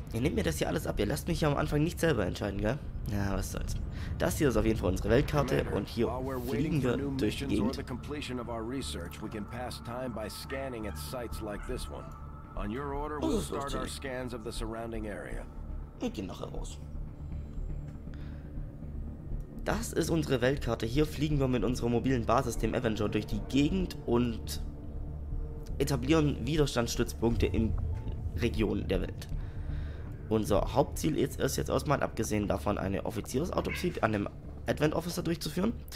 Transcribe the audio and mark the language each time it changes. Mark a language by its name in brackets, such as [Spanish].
[German] Ihr nehmt mir das hier alles ab. Ihr lasst mich ja am Anfang nicht selber entscheiden, gell? Ja, was soll's. Das hier ist auf jeden Fall unsere Weltkarte und hier fliegen wir durch die Gegend. [English] The completion of our research, we can pass time by scanning at sites like this one. On your order, we'll start our scans of the surrounding area. [German] Wir gehen noch heraus. Das ist unsere Weltkarte. Hier fliegen wir mit unserer mobilen Basis, dem Avenger, durch die Gegend und etablieren Widerstandsstützpunkte in Regionen der Welt. Unser Hauptziel ist jetzt erstmal, abgesehen davon, eine Offiziersautopsie an dem Advent Officer durchzuführen.